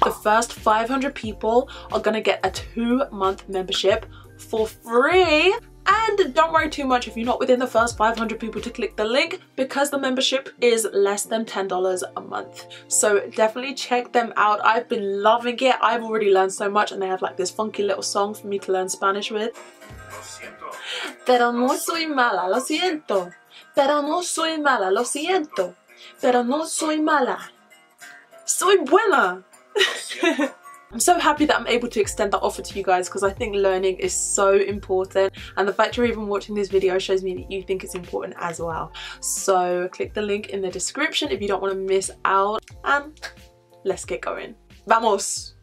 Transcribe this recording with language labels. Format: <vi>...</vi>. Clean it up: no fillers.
<en>The first 500 people are gonna get a 2-month membership for free. And don't worry too much if you're not within the first 500 people to click the link, because the membership is less than $10 a month. So definitely check them out. I've been loving it. I've already learned so much, and they have like this funky little song for me to learn Spanish with.</en> <es>Pero no soy mala, lo siento. Pero no soy mala, lo siento. Pero no soy mala, soy buena.</es> <en>I'm so happy that I'm able to extend that offer to you guys, because I think learning is so important, and the fact you're even watching this video shows me that you think it's important as well. So click the link in the description if you don't want to miss out, and let's get going. Vamos.</en>